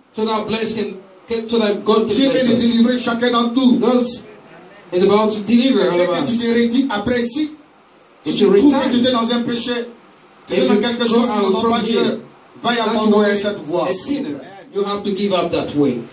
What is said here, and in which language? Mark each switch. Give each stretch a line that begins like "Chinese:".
English: So that blessing can, so that God can bless us.
French: Dieu veut délivrer chacun d'entre nous.
English: God is about to deliver all of us.
French: Et que tu te rédis après ici.
English: If you retire.
French: Si tu trouves que tu étais dans un péché, tu es dans quelque chose qui ne va pas Dieu. Va y abandonner cette voie.
English: A sinner, you have to give up that way.